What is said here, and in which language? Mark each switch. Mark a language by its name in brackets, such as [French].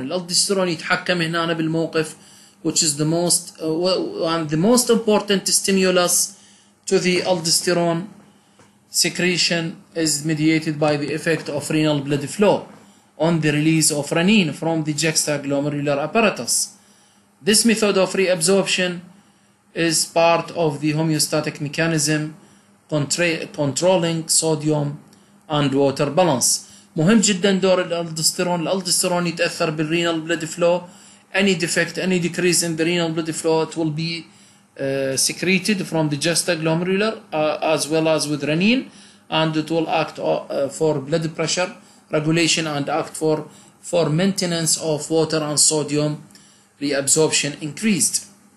[Arabic] الالدستيرون يتحكم هنا بالموقف, [English] which is the most and the most important stimulus to the aldosterone secretion is mediated by the effect of renal blood flow on the release of renin from the juxtaglomerular apparatus. This method of reabsorption is part of the homeostatic mechanism controlling sodium and water balance. [Arabic] مهم جدا دور الالدستيرون. الالدستيرون يتأثر بالرينال بلد فلو. [English] Any defect, any decrease in the renal blood flow, it will be secreted from the juxtaglomerular as well as with renin, and it will act for blood pressure regulation and act for maintenance of water and sodium reabsorption increased.